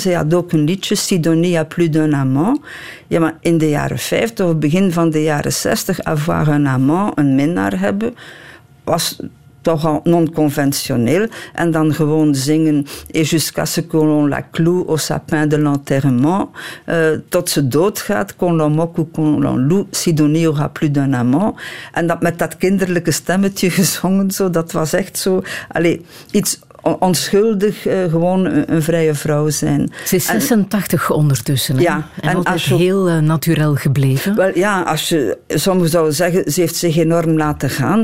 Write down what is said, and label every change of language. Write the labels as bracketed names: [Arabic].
[Dutch] Ze had ook een liedje, [French] Sidonie a plus d'un amant. [Dutch] Ja, maar in de jaren 50 of begin van de jaren 60, [French] avoir un amant, [Dutch] een minnaar hebben, was toch al non-conventioneel. En dan gewoon zingen [French] et jusqu'à ce que l'on la cloue au sapin de l'enterrement, [Dutch] tot ze doodgaat, [French] qu'on l'en moque ou qu'on l'en loue, Sidonie aura plus d'un amant. [Dutch] En dat met dat kinderlijke stemmetje gezongen, zo, dat was echt zo, allez, iets onschuldig, gewoon een vrije vrouw zijn. Ze is 86 ondertussen. Ja. En altijd heel natuurlijk gebleven. Wel ja, als je sommigen zou zeggen, ze heeft zich enorm laten gaan.